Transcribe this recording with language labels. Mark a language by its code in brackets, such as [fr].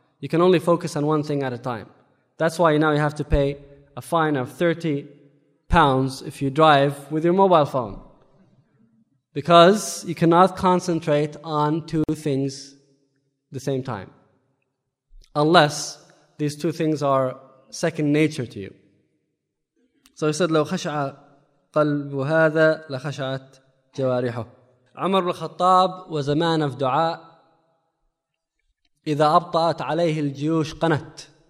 [en] You can only focus on one thing at a time. That's why now you have to pay a fine of 30 pounds if you drive with your mobile phone. Because you cannot concentrate on two things at the same time. Unless these two things are second nature to you. So he said, [ar] لو خشع قلب هذا لخشعت جوارحه. [en] عمر بن الخطاب was a man of دعاء. [ar] إذا أبطأت عليه الجيوش قنت.